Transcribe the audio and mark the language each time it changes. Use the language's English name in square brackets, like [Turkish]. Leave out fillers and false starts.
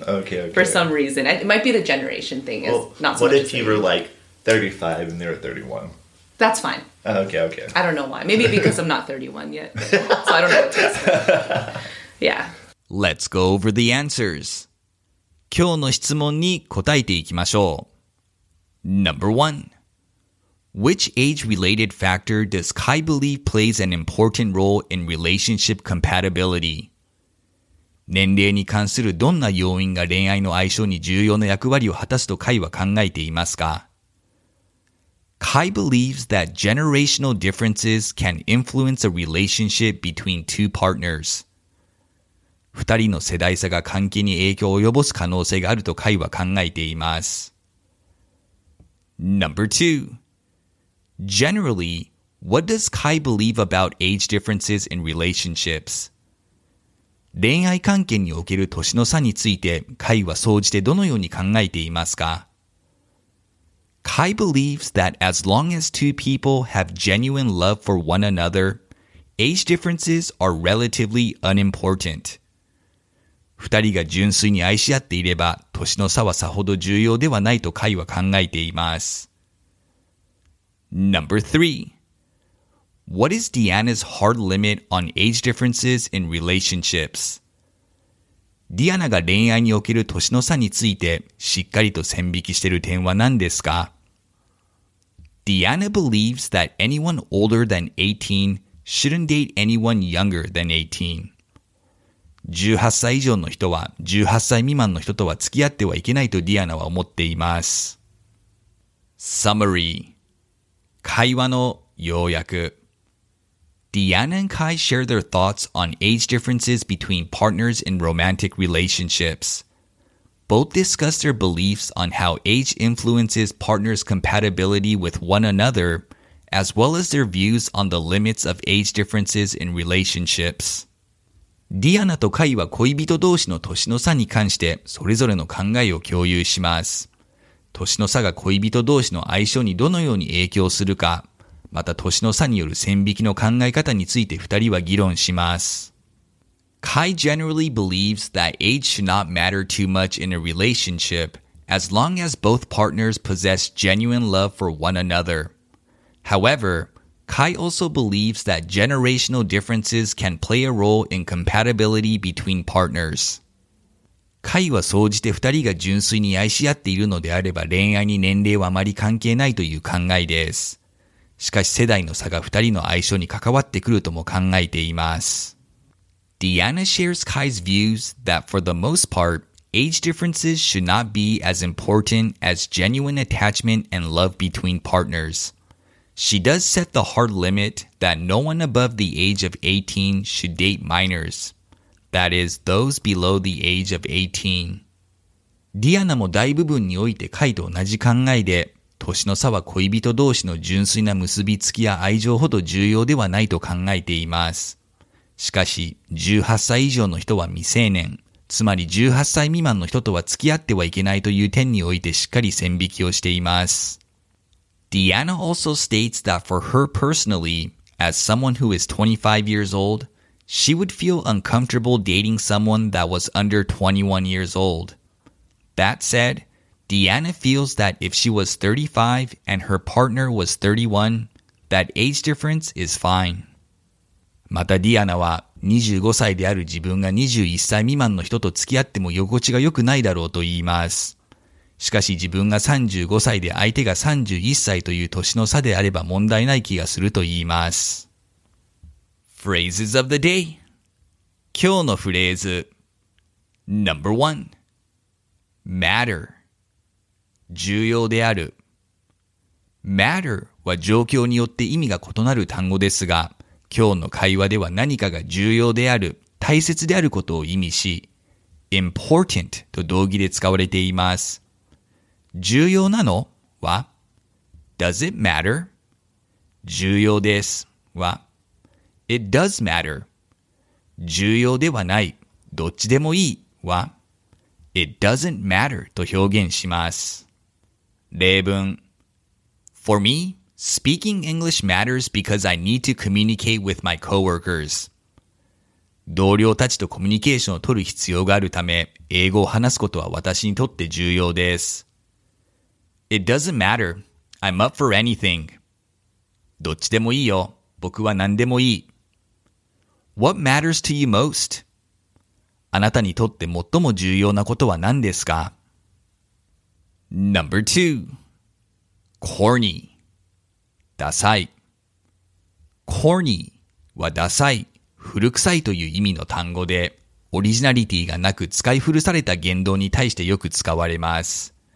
[English] Okay, okay. For some reason. It might be the generation thing. Well, not so what much if you were like 35 and they were 31? That's fine. Okay, okay. I don't know why. Maybe because I'm not 31 yet. So I don't know what to say. Yeah. Let's go over the answers. [Japanese] 今日の質問に答えていきましょう。 [English] Number one. Which age-related factor does Kai believe plays an important role in relationship compatibility? [Japanese] 年齢に関するどんな要因が恋愛の相性に重要な役割を果たすと Kai は考えていますか? [English] Kai believes that generational differences can influence a relationship between two partners. [Japanese] 二人の世代差が関係に影響を及ぼす可能性があると Kai は考えています。 [English] Number two. Generally, what does Kai believe about age differences in relationships? [Japanese] 恋愛関係における年の差について、Kai は総じてどのように考えていますか? [English] Kai believes that as long as two people have genuine love for one another, age differences are relatively unimportant. [Japanese] 二人が純粋に愛し合っていれば、年の差はさほど重要ではないと Kai は考えています。 [English] Number three. What is Deanna's hard limit on age differences in relationships? [Japanese] Deanna が恋愛における年の差についてしっかりと線引きしている点は何ですか? [English] Deanna believes that anyone older than 18 shouldn't date anyone younger than 18. [Japanese] 18歳以上の人は18歳未満の人とは付き合ってはいけないと Deanna は思っています。 Summary. 会話の要約。 [English] Deanna and Kai share their thoughts on age differences between partners in romantic relationships. Both discuss their beliefs on how age influences partners' compatibility with one another, as well as their views on the limits of age differences in relationships. [Japanese] Deanna と Kai は恋人同士の年の差に関してそれぞれの考えを共有します。年の差が恋人同士の相性にどのように影響するか、また年の差による線引きの考え方について二人は議論します。 [English] Kai generally believes that age should not matter too much in a relationship as long as both partners possess genuine love for one another. However, Kai also believes that generational differences can play a role in compatibility between partners. [Japanese] Kai は総じて二人が純粋に愛し合っているのであれば恋愛に年齢はあまり関係ないという考えです。しかし世代の差が二人の相性に関わってくるとも考えています。 [English] Deanna shares Kai's views that for the most part, age differences should not be as important as genuine attachment and love between partners. She does set the hard limit that no one above the age of 18 should date minors. That is, those below the age of 18. [Japanese] ディアナも大部分においてカイと同じ考えで、年の差は恋人同士の純粋な結びつきや愛情ほど重要ではないと考えています。しかし、18歳以上の人は未成年、つまり18歳未満の人とは付き合ってはいけないという点においてしっかり線引きをしています。 [English] ディアナ also states that for her personally, as someone who is 25 years old,She would feel uncomfortable dating someone that was under 21 years old. That said, Deanna feels that if she was 35 and her partner was 31, that age difference is fine. [Japanese] また、ディアナは25歳である自分が21歳未満の人と付き合っても居心地が良くないだろうと言います。しかし自分が35歳で相手が31歳という年の差であれば問題ない気がすると言います。 [English] Phrases of the day. [Japanese] 今日のフレーズ [English] Number one. Matter. [Japanese] 重要である Matter は状況によって意味が異なる単語ですが、今日の会話では何かが重要である、大切であることを意味し、Important と同義で使われています。重要なのは [English] Does it matter? [Japanese] 重要ですは [English] It does matter. [Japanese] 重要ではない、どっちでもいいは、 [English] It doesn't matter [Japanese] と表現します。例文。 [English] For me, speaking English matters because I need to communicate with my coworkers. [Japanese] 同僚たちとコミュニケーションを取る必要があるため、英語を話すことは私にとって重要です。 [English] It doesn't matter. I'm up for anything. [Japanese] どっちでもいいよ。僕は何でもいい。 [English] What matters to you most? [Japanese] あなたにとって最も重要なことは何ですか [English] ?Number two. Corny. [Japanese] ダサい。Corny はダサい。古臭いという意味の単語で、オリジナリティがなく使い古された言動に対してよく使われます。